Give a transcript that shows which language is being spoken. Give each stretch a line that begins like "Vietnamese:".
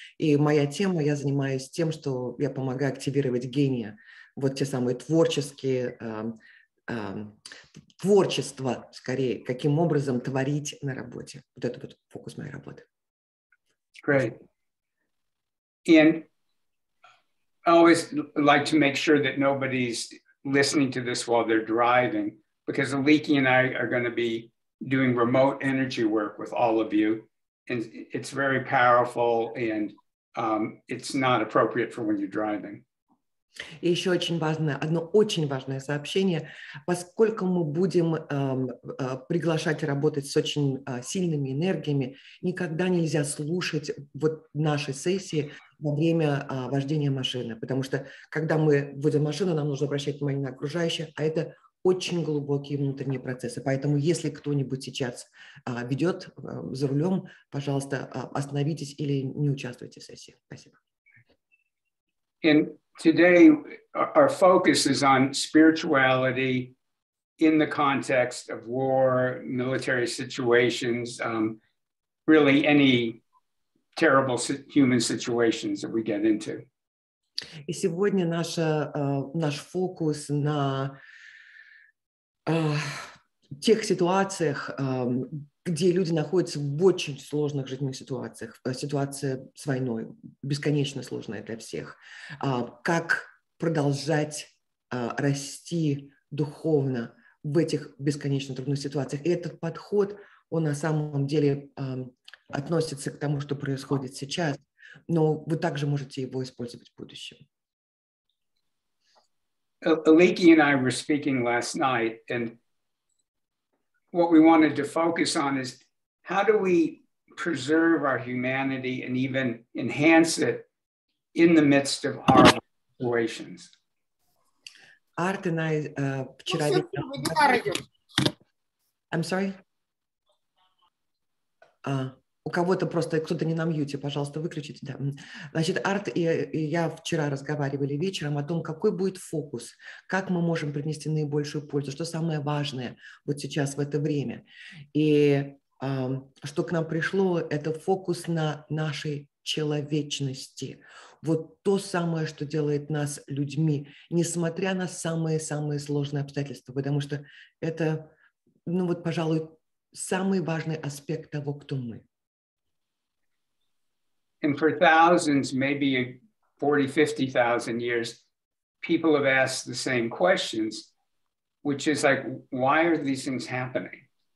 Russian: И моя тема, я занимаюсь тем, что я помогаю активировать гения. Вот те самые творческие, творчество, скорее, каким образом творить на работе. Вот это вот фокус моей работы.
English: Great. And I always like to make sure that nobody's listening to this while they're driving, because Aliki and I are going to be doing remote energy work with all of you. And it's very powerful, and it's not appropriate for when you're driving.
Russian: И еще очень важное, одно очень важное сообщение. Поскольку мы будем приглашать работать с очень сильными энергиями, никогда нельзя слушать вот наши сессии во время вождения машины. Потому что, когда мы вводим машину, нам нужно обращать внимание на окружающее, а это очень глубокие внутренние процессы. Поэтому, если кто-нибудь сейчас ведет за рулем, пожалуйста, остановитесь или не участвуйте в сессии. Спасибо.
English: And today our focus is on spirituality in the context of war, military situations, really any terrible human situations that we get into.
Russian: И сегодня наш фокус на тех ситуациях, где люди находятся в очень сложных жизненных ситуациях, ситуация с войной, бесконечно сложная для всех. Как продолжать расти духовно в этих бесконечно трудных ситуациях? И этот подход, он на самом деле относится к тому, что происходит сейчас, но вы также можете его использовать в будущем.
English: Aliki and I were speaking last night, and what we wanted to focus on is how do we preserve our humanity and even enhance it in the midst of our situations. Art and I
Russian: вчера
English: I'm sorry.
Russian: У кого-то просто кто-то не на мьюте, пожалуйста, выключите. Да. Значит, Арт и я вчера разговаривали вечером о том, какой будет фокус, как мы можем принести наибольшую пользу, что самое важное вот сейчас в это время. И что к нам пришло, это фокус на нашей человечности. Вот то самое, что делает нас людьми, несмотря на самые-самые сложные обстоятельства, потому что это, ну вот, пожалуй, самый важный аспект того, кто мы.
English: And for thousands, maybe 40-50,000 years, people have asked the same questions, which is like, why are these things happening?